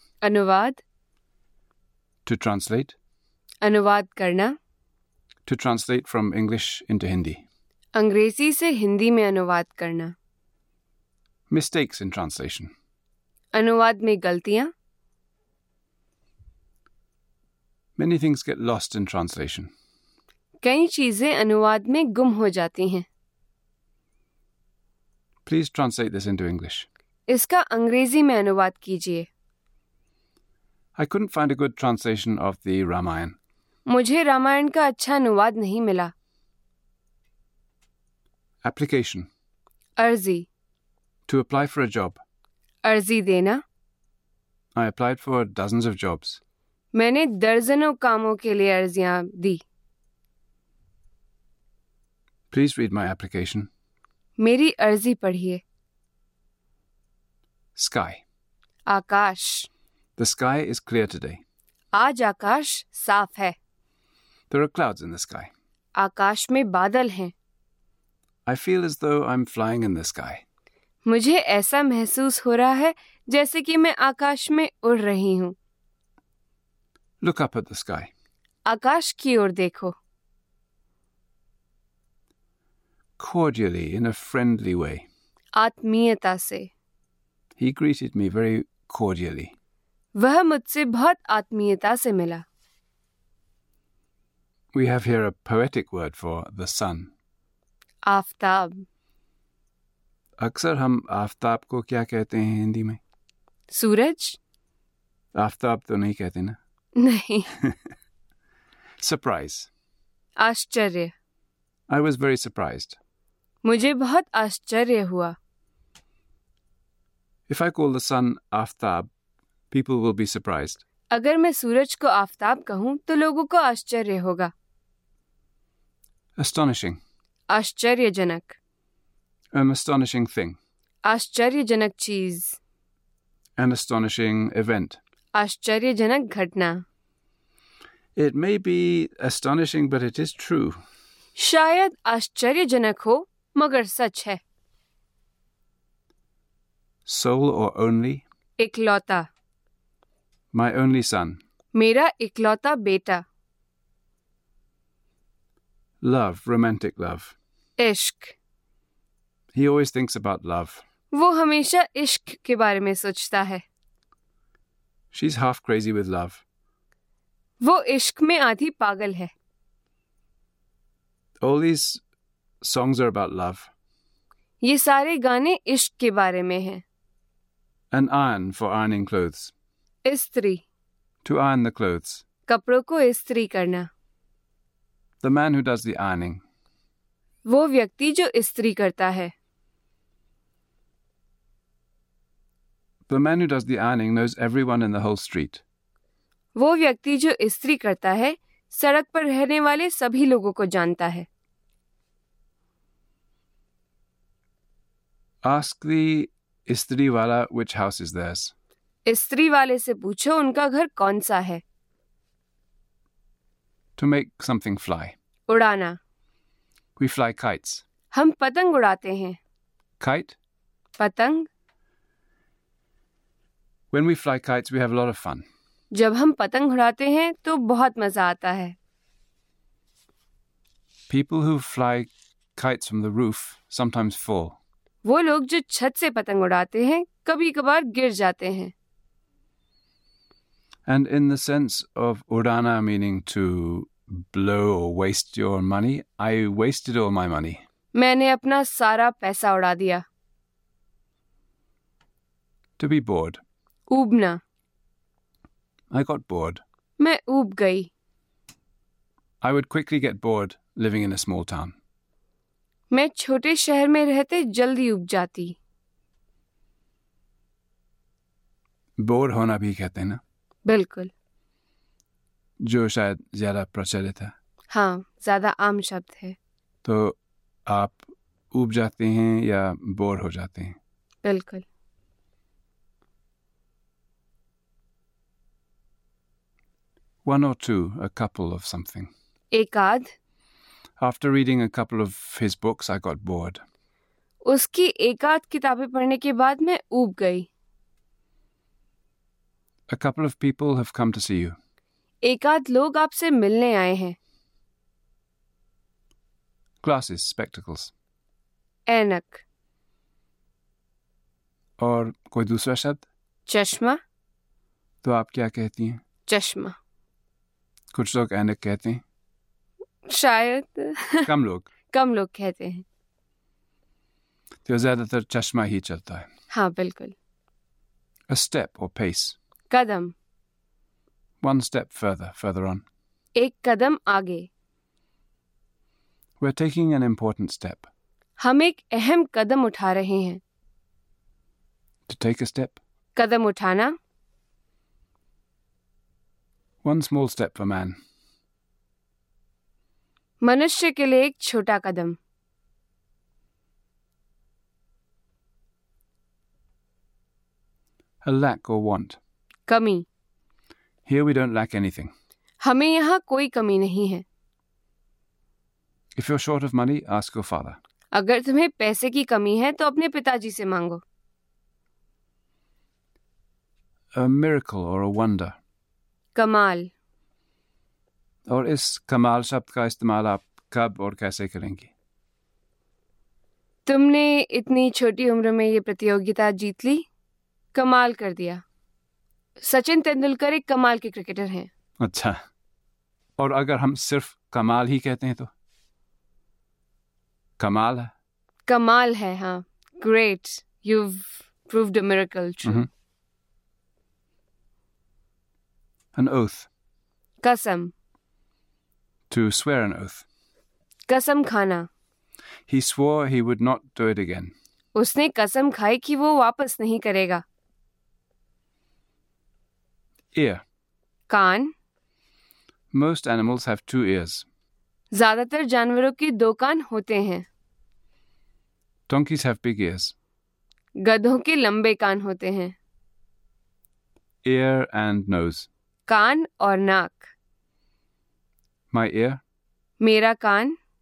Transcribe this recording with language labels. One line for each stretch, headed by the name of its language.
Hindi: अनुवाद।
English: to translate,
Hindi: अनुवाद करना।
English: to translate from English into Hindi,
Hindi: अंग्रेजी से हिंदी में अनुवाद करना।
English: mistakes in translation,
Hindi: अनुवाद में गलतियां।
English: Many things get lost in translation.
Hindi: कई चीजें अनुवाद में गुम हो जाती हैं।
English: Please translate this into English.
Hindi: इसका अंग्रेजी में अनुवाद कीजिए।
English: I couldn't find a good translation of the Ramayana.
Hindi: मुझे रामायण का अच्छा अनुवाद नहीं मिला।
English: Application.
Hindi: अर्जी।
English: To apply for a job.
Hindi: अर्जी देना।
English: I applied for dozens of jobs.
Hindi: मैंने दर्जनों कामों के लिए अर्जियां दी।
English: Please read my application.
Hindi: मेरी अर्जी पढ़िए।
English: Sky.
Hindi: Akash.
English: The sky is clear today.
Hindi: आज आकाश साफ है।
English: There are clouds in the sky.
Hindi: आकाश में बादल हैं।
English: I feel as though I'm flying in the sky.
Hindi: मुझे ऐसा महसूस हो रहा है जैसे कि मैं आकाश में उड़ रही हूं।
English: Look up at the sky.
Hindi: आकाश की ओर देखो।
English: Cordially, in a friendly way.
Hindi: आत्मीयता से।
English: He greeted me very cordially.
Hindi: वह मुझसे बहुत आत्मीयता से मिला।
English: We have here a poetic word for the sun.
Hindi: Aftab. अक्सर हम आफ्ताब को क्या कहते हैं हिंदी में? सूरज। आफ्ताब तो नहीं कहते ना? नहीं।
English: Surprise.
Hindi: आश्चर्य।
English: I was very surprised.
Hindi: मुझे बहुत आश्चर्य हुआ।
English: If I call the sun aftab, people will be surprised.
Hindi: अगर मैं सूरज को आफ्ताब कहूं तो लोगों को आश्चर्य होगा।
English: Astonishing.
Hindi: आश्चर्यजनक।
English: An astonishing thing.
Hindi: आश्चर्यजनक चीज।
English: An astonishing event.
Hindi: आश्चर्यजनक घटना।
English: It may be astonishing, but it is true.
Hindi: शायद आश्चर्यजनक हो मगर सच है।
English: Sole or only?
Hindi: इकलौता।
English: My only son.
Hindi: मेरा इकलौता बेटा।
English: Love, romantic love.
Hindi: इश्क।
English: He always thinks about love.
Hindi: वो हमेशा इश्क के बारे में सोचता है।
English: She's half crazy with love.
Hindi: वो इश्क में आधी पागल है।
English: All these songs are about love.
Hindi: ये सारे गाने इश्क के बारे में हैं।
English: An iron for ironing clothes.
Hindi: इस्त्री।
English: To iron the clothes.
Hindi: कपड़ों को इस्त्री करना।
English: The man who does the ironing.
Hindi: वो व्यक्ति जो इस्त्री करता है।
English: The man who does the ironing knows everyone in the whole street.
Hindi: वो व्यक्ति जो इस्त्री करता है सड़क पर रहने वाले सभी लोगों को जानता है।
English: Ask the
Hindi: इस्त्री वाला
English: which house is theirs.
Hindi: इस्त्री वाले से पूछो उनका घर कौन सा है।
English: To make something fly.
Hindi: उड़ाना।
English: We fly kites.
Hindi: हम पतंग उड़ाते हैं।
English: Kite?
Hindi: पतंग।
English: When we fly kites, we have a lot of fun.
Hindi: जब हम पतंग उड़ाते हैं तो बहुत मजा आता है।
English: People who fly kites from the roof sometimes fall.
Hindi: वो लोग जो छत से पतंग उड़ाते हैं कभी कभार गिर जाते हैं।
English: And in the sense of udana, meaning to blow or waste your money, I wasted all my money.
Hindi: मैंने अपना सारा पैसा उड़ा दिया।
English: To be bored.
Hindi: ऊबना। I got bored. मैं ऊब गई. I would quickly get bored living in a small town. मैं छोटे शहर में रहते जल्दी ऊब जाती. बोर होना भी कहते हैं ना? बिल्कुल. जो शायद ज्यादा प्रचलित है. हाँ, ज्यादा आम शब्द है. तो आप ऊब जाते हैं या बोर हो जाते हैं? बिल्कुल.
English: One or two, a couple of something.
Hindi: एक आध.
English: After reading a couple of his books, I got bored.
Hindi: उसकी एक आध किताबें पढ़ने के बाद मैं ऊब गई.
English: A couple of people have come to see you.
Hindi: एक आध लोग आपसे मिलने आए हैं.
English: Glasses, spectacles.
Hindi: ऐनक. और कोई दूसरा शब्द? चश्मा. तो आप क्या कहती हैं? चश्मा. कुछ लोग ऐनक कहते हैं. शायद कम लोग. कम लोग कहते हैं. तो ज्यादातर चश्मा ही चलता है. हाँ बिल्कुल.
English: A step or pace.
Hindi: Kadam.
English: One step further, further on.
Hindi: एक कदम आगे.
English: We're taking an important step.
Hindi: हम एक अहम कदम उठा रहे हैं.
English: To take a step.
Hindi: कदम उठाना.
English: One small step for man.
Hindi: मनुष्य के लिए एक छोटा कदम.
English: A lack or want.
Hindi: कमी.
English: Here we don't lack anything.
Hindi: हमें यहाँ कोई कमी नहीं है.
English: If you're short of money, ask your father.
Hindi: अगर तुम्हें पैसे की कमी है तो अपने पिताजी से मांगो.
English: A miracle or a wonder.
Hindi: कमाल. और इस कमाल शब्द का इस्तेमाल आप कब और कैसे करेंगी? तुमने इतनी छोटी उम्र में ये प्रतियोगिता जीत ली. कमाल कर दिया. सचिन तेंदुलकर एक कमाल के क्रिकेटर हैं. अच्छा, और अगर हम सिर्फ कमाल ही कहते हैं तो? कमाल है. कमाल है. हाँ.
English: Great. You've proved a miracle. True. An oath.
Hindi: कसम.
English: To swear an oath.
Hindi: कसम खाना.
English: He swore he would not do it again.
Hindi: उसने कसम खाई कि वो वापस नहीं करेगा.
English: Ear.
Hindi: Can't.
English: Most animals have two ears.
Hindi: ज्यादातर जानवरों के दो कान होते हैं.
English: Donkeys have big ears.
Hindi: गधों के लंबे कान होते हैं.
English: Ear and nose.
Hindi: कान और नाक.
English: My ear.
Hindi: मेरा कान.